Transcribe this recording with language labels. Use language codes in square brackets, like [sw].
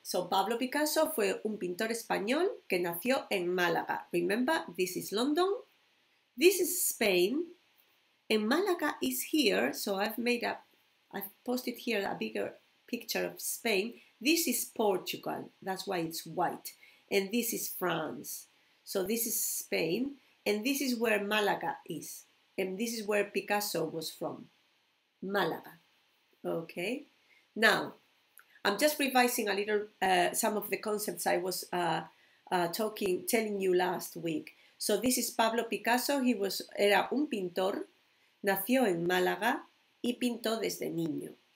[es] So Pablo Picasso fue un pintor español que nació en Málaga. [en] Remember, this is London, this is Spain, and Málaga is here, so I've posted here a bigger picture of Spain. This is Portugal, that's why it's white, and this is France. So this is Spain, and this is where Málaga is, and this is where Picasso was from, Málaga. Okay, now, I'm just revising a little some of the concepts I was telling you last week. So this is Pablo Picasso. [es] Era un pintor, nació en Málaga y pintó desde niño.